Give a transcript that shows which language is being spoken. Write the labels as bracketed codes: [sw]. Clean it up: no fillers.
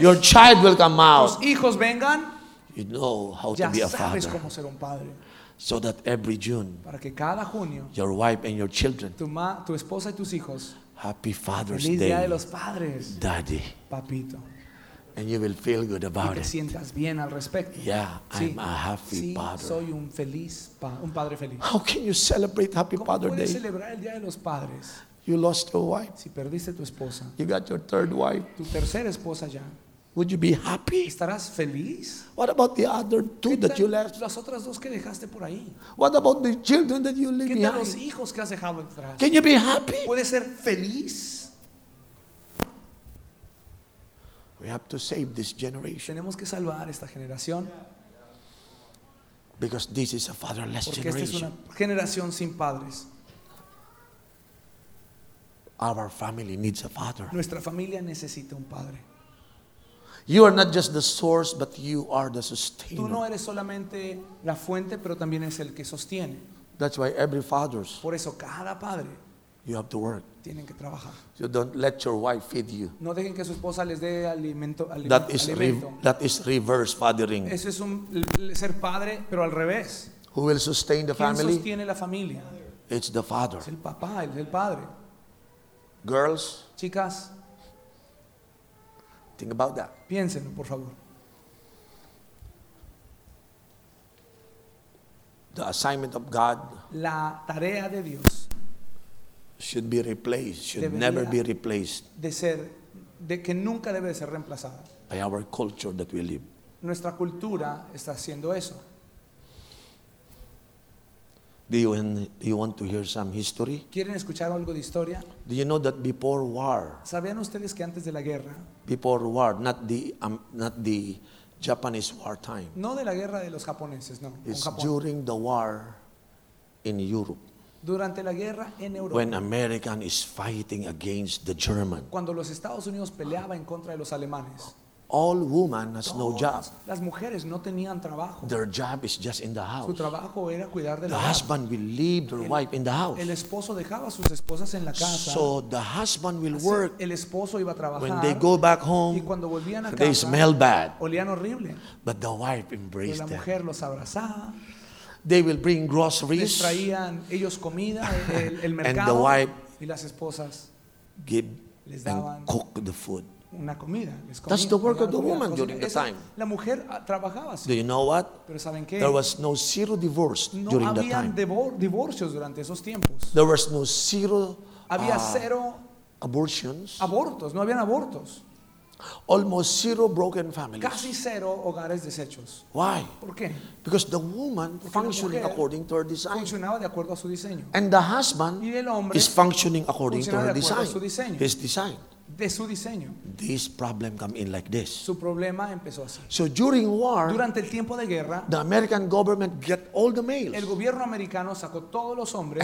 [en] your child will come out, [es] tus hijos vengan, [en] you know how [es] ya [en] to be [es] sabes [en] a father. [es] Cómo ser un padre. [en] So that every June, [es] para que cada junio, [en] your wife and your children, [es] tu esposa y tus hijos, [en] happy Father's [es] feliz [en] Day, [es] día de los padres, [en] Daddy, [es] Papito. [en] And you will feel good about [es] y te sientas bien al respecto. [en] Yeah, sí. I'm a happy [es] sí, [en] father. [es] Soy un feliz un padre feliz. [en] How can you celebrate Happy [es] ¿cómo [en] Father [es] puedes [en] Day? [es] Celebrar el día de los padres? [en] You lost your wife. [es] Si perdiste tu esposa. [en] You got your third wife. [es] Tu tercera esposa ya. [en] Would you be happy? [es] ¿Estarás feliz? [en] What about the other two that you left? [es] Las otras dos que dejaste por ahí. [en] What about the children that you leave [es] ¿qué [en] behind? [es] Los hijos que has dejado atrás? [en] Can you be happy? [es] ¿Puedes ser feliz? [en] We have to save this generation. [es] Tenemos que salvar esta generación. [en] Because this is a fatherless generation. [es] Porque esta es una generación sin padres. [en] Our family needs a father. [es] Nuestra familia necesita un padre. [en] You are not just the source, but you are the sustainer. [es] Tú no eres solamente la fuente, pero también es el que sostiene. [en] That's why every father's. [es] Por eso cada padre. [en] You have to work. [es] Tienen que trabajar. [en] You don't let your wife feed you. [es] No dejen que su esposa les dé alimento. [en] That is reverse fathering. [es] Eso es un ser padre, pero al revés. [en] Who will sustain the family? [es] ¿Quién sostiene la familia? [en] It's the father. [es] Es el papá, es el padre. [en] Girls. [es] Chicas. [en] Think about that. [es] Piénsenlo, por favor. [en] The assignment of God. [es] La tarea de Dios. [en] Should be replaced, should never be replaced. [es] De ser, de que nunca debe de ser reemplazada. [en] By our culture that we live. [es] Nuestra cultura está haciendo eso. [en] Do you want to hear some history? [es] ¿Quieren escuchar algo de historia? [en] Do you know that before war? [es] ¿Sabían ustedes que antes de la guerra? [en] Before war, not the Japanese wartime. [es] No de la guerra de los japoneses, no. [en] It's during the war in Europe. [es] Durante la guerra en Europa. [en] When American is fighting against the German. [es] Cuando los Estados Unidos peleaba en contra de los alemanes. [en] All women has no job. [es] Las mujeres no tenían trabajo. [en] Their job is just in the house. [es] Su trabajo era cuidar de la casa. [en] The husband will leave their wife in the house. [es] El esposo dejaba a sus esposas en la casa. [en] So the husband will work. [es] El esposo iba a trabajar. [en] When they go back home. [es] Y cuando volvían a casa. [en] They smell bad. [es] Olían horrible. [en] But the wife embraced them. [es] La mujer los abrazaba. [en] They will bring groceries. [es] Les traían ellos comida, el mercado. [en] And the wife [es] y las esposas [en] give [es] les daban [en] and cook the food. [es] Una comida. Les comía, [en] that's the work of the woman during the time. [es] La mujer trabajaba. [en] Do you know what? [es] Pero ¿saben qué? [en] There was no zero divorce [es] no [en] during that time. [es] No habían divorcios durante esos tiempos. [en] There was no zero. [es] Había cero [en] abortions. [es] Abortos. No habían abortos. [en] Almost zero broken families. [es] Casi cero hogares deshechos. [en] Why? [es] ¿Por qué? [en] Because the woman functioning according to her design. [es] Funcionaba de acuerdo a su diseño. [en] And the husband [es] y el hombre [en] is functioning according [es] funcionaba [en] to her [es] de acuerdo [en] design. [es] A su diseño. [en] His design. [es] De su diseño. [en] This problem come in like this. [es] Su problema empezó así. [en] So during war, [es] durante el tiempo de guerra, [en] the American government get all the males. [es] El gobierno americano sacó todos los hombres.